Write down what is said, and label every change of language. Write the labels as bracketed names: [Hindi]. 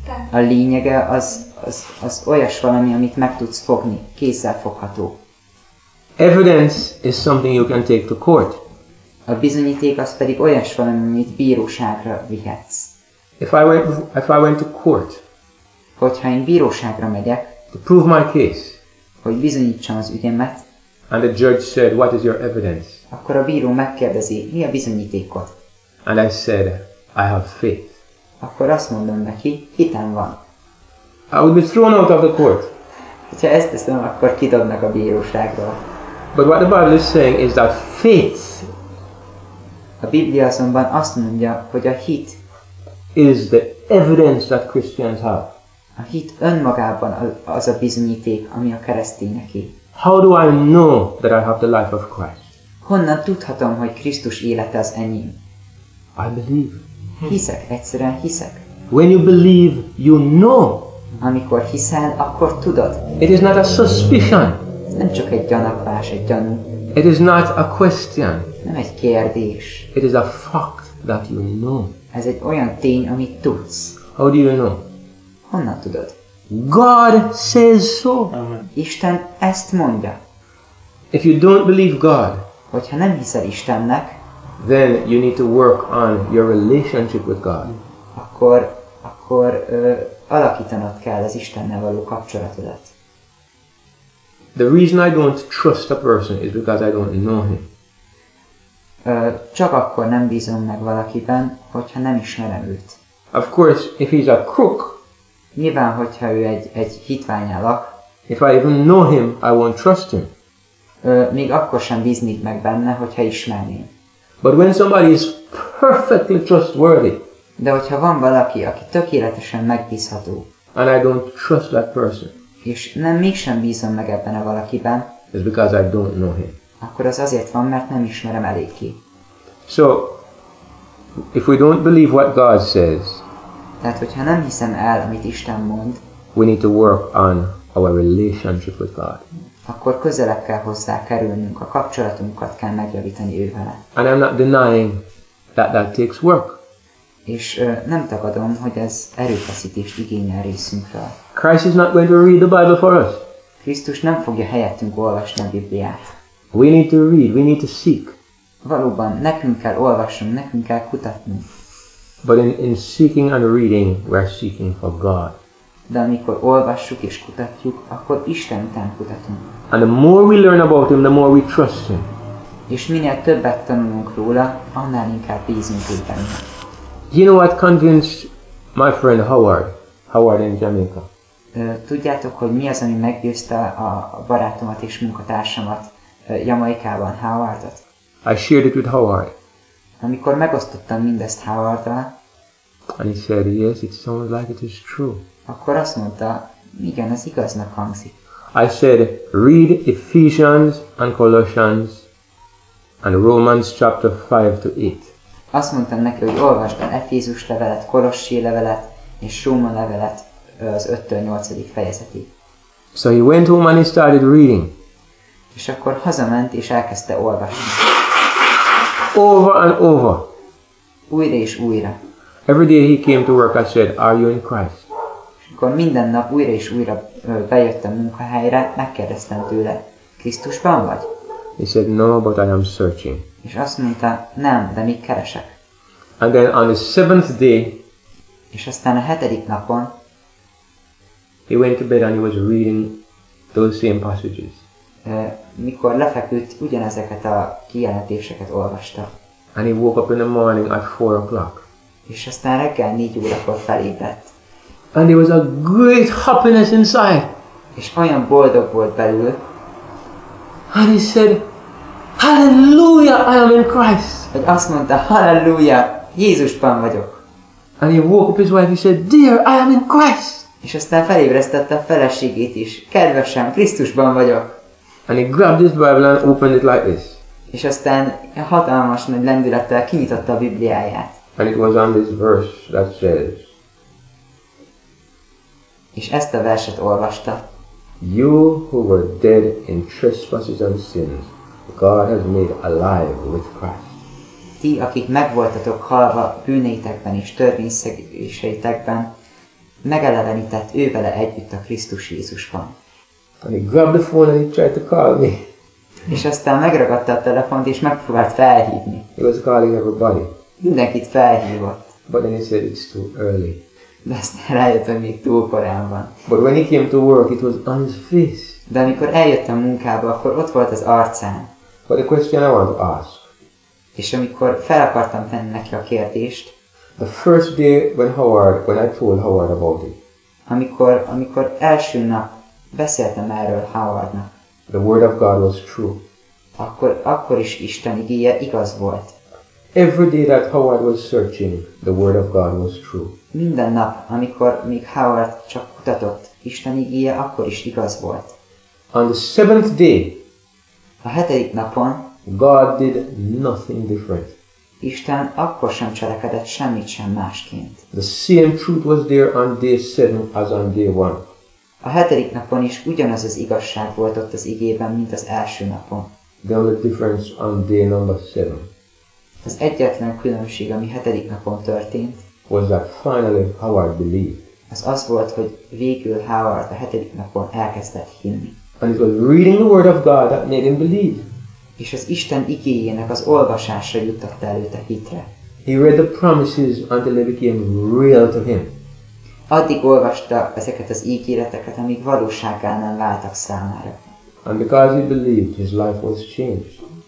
[Hungarian] A lényege az olyas valami, amit meg tudsz fogni, kézzel fogható. [English] Evidence is something you can take to court. [Hungarian] A bizonyíték az pedig olyas valami, amit bíróságra vihetsz. [English] If I went to court, [Hungarian] hogyha én bíróságra megyek, [English] to prove my case, [Hungarian] hogy bizonyítsam az ügyemet, [English] and the judge said, what is your evidence? [Hungarian] Akkor a bíró megkérdezi, mi a bizonyítékod? [English] And I said, I have faith. [Hungarian] Akkor azt mondom neki, hitem van. [English] I would be thrown out of the court. [Hungarian] Hogyha ezt teszem, akkor kidobnak a bíróságról. [English] But what the Bible is saying is that faith. [Hungarian] A Biblia azonban azt mondja, hogy a hit [English] is the evidence that Christians have. [Hungarian] A hit önmagában az a bizonyíték, ami a keresztényeké. [English] How do I know that I have the life of Christ? [Hungarian] Honnan tudhatom, hogy Krisztus élete az enyém? [English] I believe. [Hungarian] Hiszek, egyszerűen hiszek. [English] When you believe, you know. [Hungarian] Amikor hiszel, akkor tudod. [English] It is not a suspicion. [Hungarian] Nem csak egy gyanakvás, egy gyanú. [English] It is not a question. [Hungarian] Nem egy kérdés. [English] It is a fact that you know. [Hungarian] Ez egy olyan tény, amit tudsz. [English] How do you know? [Hungarian] Honnan tudod? [English] God says so. [Hungarian] Isten ezt mondja. [English] If you don't believe God, [Hungarian] hogyha nem hiszel Istennek, [English] then you need to work on your relationship with God. [Hungarian] Akkor alakítanod kell az Istennel való kapcsolatodat. [English] The reason I don't trust a person is because I don't know him. [Hungarian] Csak akkor nem bízom meg valakiben, hogyha nem ismerem őt. [English] Of course, if he's a crook, [Hungarian] nyilván, hogyha ő egy hitvány alak, [English] if I even know him, I won't trust him. [Hungarian] Még akkor sem bíznék meg benne, hogyha ismerném. [English] But when somebody is perfectly trustworthy, [Hungarian] de hogyha van valaki, aki tökéletesen megbízható, [English] and I don't trust that person, [Hungarian] és nem mégsem bízom meg ebben a valakiben, [English] is because I don't know him. [Hungarian] Akkor az azért van, mert nem ismerem elég ki. [English] So, if we don't believe what God says, [Hungarian] tehát hogyha nem hiszem el, amit Isten mond, [English] we need to work on our relationship with God. [Hungarian] Akkor közelebb kell hozzá kerülnünk, a kapcsolatunkat kell megjavítani ő vele. [English] And I'm not denying that that takes work. [Hungarian] És nem tagadom, hogy ez erőfeszítést igényel részünkről. [English] Christ is not going to read the Bible for us. [Hungarian] Krisztus nem fogja helyettünk olvasni a Bibliát. [English] We need to read, we need to seek. [Hungarian] Valóban, nekünk kell olvasnunk, nekünk kell kutatnunk. [English] But in seeking and reading, we're seeking for God. [Hungarian] De amikor olvassuk és kutatjuk, akkor Isten után kutatunk. [English] And the more we learn about him, the more we trust him. [Hungarian] És minél többet tanulunk róla, annál inkább bízunk ő benne. [English] You know what convinced my friend Howard in Jamaica? [Hungarian] Tudjátok, hogy mi az, ami meggyőzte a barátomat és munkatársamat Jamaikában, Howardot? [English] I shared it with Howard. [Hungarian] Amikor megosztottam mindezt Howardtal, [English] and he said, yes, it sounds like it is true. [Hungarian] Akkor azt mondta, igen, ez igaznak hangzik. [English] I said, read Ephesians and Colossians and Romans chapter 5-8. [Hungarian] Azt mondtam neki, hogy olvasd el Efézus levelet, Kolossi levelet és Róma levelet az 5-8. Fejezeti. [English] So he went home and he started reading. [Hungarian] És akkor hazament és elkezdte olvasni. [English] Over and over. [Hungarian] Újra és újra. [English] Every day he came to work, I said, are you in Christ? [Hungarian] Akkor minden nap újra és újra bejött a munkahelyre, megkérdeztem tőle, Krisztusban vagy? [English] He said, no, but I am searching. [Hungarian] És azt mondta, nem, de még keresek. [English] And then on the seventh day, [Hungarian] és aztán a hetedik napon, [English] he went to bed and he was reading those same passages. [Hungarian] Mikor lefeküdt, ugyanezeket a kijelentéseket olvasta. [English] And he woke up in the morning at 4:00. [Hungarian] És aztán reggel 4 órakor felébredt. [English] And there was a great happiness inside. [Hungarian] És olyan boldog volt belül. [English] And he said, Hallelujah, I am in Christ. [Hungarian] Hogy azt mondta, Hallelujah, Jézusban vagyok. [English] And he woke up his wife, he said, Dear, I am in Christ. [Hungarian] És aztán felébresztette a feleségét is. Kedvesem, Krisztusban vagyok. [English] And he grabbed his Bible and opened it like this. [Hungarian] És aztán hatalmas nagy lendülettel kinyitotta a Bibliáját. [English] And it was on this verse that says, [Hungarian] és ezt a verset olvasta. [English] You who were dead in trespasses and sins, God has made alive with Christ. [Hungarian] Ti, akik megvoltatok halva bűneitekben és törvényszegéseitekben, megelevenített ő vele együtt a Krisztus Jézusban. [English] And he grabbed the phone and he tried to call me. [Hungarian] És aztán megragadta a telefont és megpróbált felhívni. [English] He was calling everybody. [Hungarian] Mindenkit felhívott. [English] But then he said it's too early. [Hungarian] De aztán rájött, hogy még túl korán van. [English] But when he came to work, it was on his face. [Hungarian] De amikor eljött a munkába, akkor ott volt az arcán. [English] But the question I want to ask. [Hungarian] És amikor fel akartam tenni neki a kérdést. [English] The first day when I told Howard about it. [Hungarian] Amikor első nap beszéltem erről Howardnak. [English] The word of God was true. [Hungarian] Akkor is Isten igéje igaz volt. [English] Every day that Howard was searching, the word of God was true. [Hungarian] Minden nap, amikor még Howard csak kutatott, Isten igéje akkor is igaz volt. [English] On the seventh day, [Hungarian] a hetedik napon, [English] God did nothing different. [Hungarian] Isten akkor sem cselekedett semmit sem másként. [English] The same truth was there on day seven as on day one. [Hungarian] A hetedik napon is ugyanaz az igazság volt ott az igében, mint az első napon. [English] The only difference on day number seven. [Hungarian] Az egyetlen különbség, ami hetedik napon történt, [English] was that finally Howard believed. [Hungarian] Az volt, hogy végül Howard a hetedik napon elkezdett hinni. [English] And it was reading the word of God that made him believe. [Hungarian] És az Isten igéjének az olvasása juttatta előtt a hitre. [English] He read the promises until they became real to him. [Hungarian] Addig olvasta ezeket az ígéreteket, amíg valósággá nem váltak számára. [English] And because he believed, his life was changed.